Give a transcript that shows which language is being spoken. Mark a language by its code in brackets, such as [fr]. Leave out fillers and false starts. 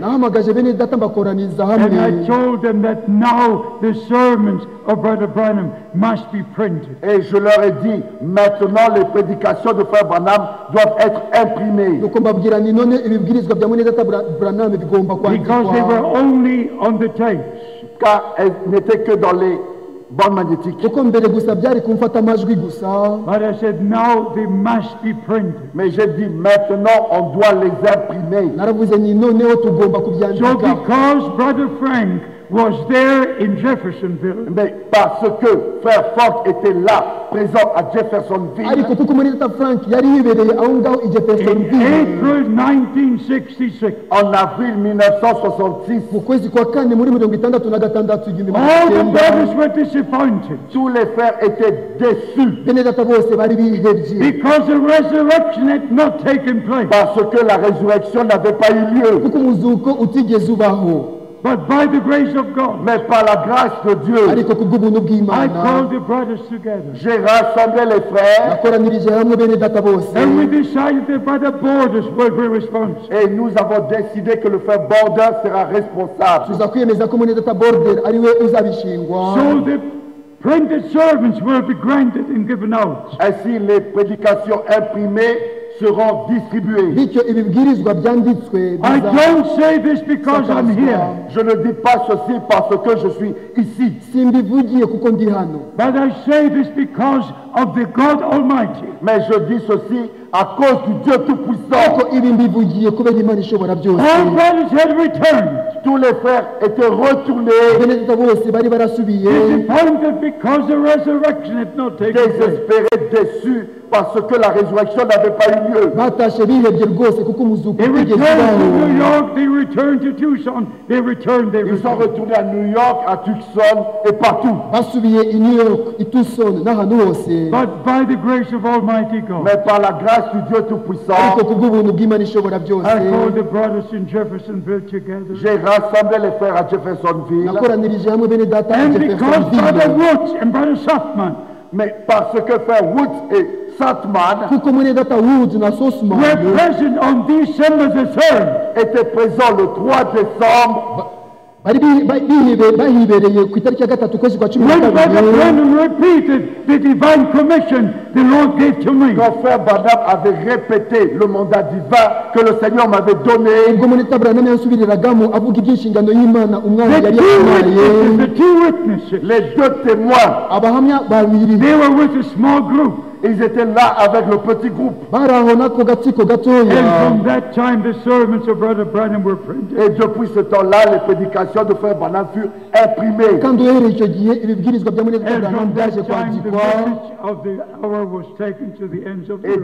[en] And I told them that now the sermons of Brother Branham must be printed. [fr] Et je leur ai dit, maintenant les prédications de Frère Branham doivent être imprimées. [en] Because they were only on the tapes. [fr] Car elles n'étaient que dans les bandes magnétiques. [en] But I said, now they must be printed. [fr] Mais j'ai dit, maintenant on doit les imprimer. [en] So because Brother Frank was there in Jeffersonville. [fr] Mais parce que Frère Frank était là, présent à Jeffersonville. [en] In April 1966. [fr] En avril 1966. [en] All the brothers were disappointed. [fr] Tous les frères étaient déçus. [en] Because the resurrection had not taken place. [fr] Parce que la résurrection n'avait pas eu lieu. [en] But by the grace of God, [fr] mais par la grâce de Dieu, [en] I called the brothers together. [fr] J'ai rassemblé les frères. [en] And we decided that Brother Borders would be responsible. [fr] Et nous avons décidé que le frère Borders sera responsable. [en] So the printed servants will be granted and given out. [fr] Ainsi les prédications imprimées seront distribués. [en] I don't say this because I'm here. [fr] Je ne dis pas ceci parce que je suis ici. [en] But I say this because of the God Almighty. [fr] Mais je dis ceci à cause du Dieu Tout-Puissant. [en] All brothers had returned. [fr] Tous les frères étaient retournés. [en] Disappointed because the resurrection had not taken place. [fr] Désespérés, déçus. Parce que la résurrection n'avait pas eu lieu. [en] They returned to New York, they returned to Tucson, they returned there. [fr] Ils sont retournés à New York, à Tucson et partout. [en] But by the grace of Almighty God. [fr] Mais par la grâce du Dieu Tout-Puissant. [en] I called the brothers in Jeffersonville together. [fr] J'ai rassemblé les frères à Jeffersonville. [en] And because Brother Woods and Brother Softman. [fr] Mais parce que Frère Woods et Satman [en] were present on December the 3rd. [fr] Était présent le 3 décembre. [en] When Brother Branham repeated the divine commission the Lord gave to me. [fr] Quand Frère Branham avait répété le mandat divin que le Seigneur m'avait donné. [en] The two witnesses, the two witnesses. [fr] Les deux témoins. [en] They were with a small group. [fr] Ils étaient là avec le petit groupe. [en] And from that time, the sermons of Brother Branham were printed. [fr] Et depuis ce temps-là, les prédications de Frère Branham furent imprimées. [en] And from that time, the message of the hour was taken to the ends of the earth.